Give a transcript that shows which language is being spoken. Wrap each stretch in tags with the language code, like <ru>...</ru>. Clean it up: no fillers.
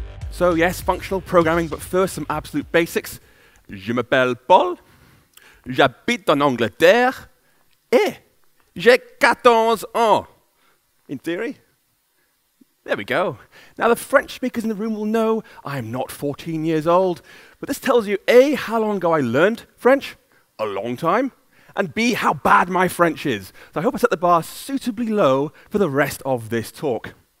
<en>So yes, functional programming, but first some absolute basics.</en> <fr>Je m'appelle Paul, j'habite en Angleterre, et j'ai 14 ans.</fr> <en>In theory, there we go. Now the French speakers in the room will know I'm not 14 years old, but this tells you A, how long ago I learned French, a long time, and B, how bad my French is. So I hope I set the bar suitably low for the rest of this talk.</en>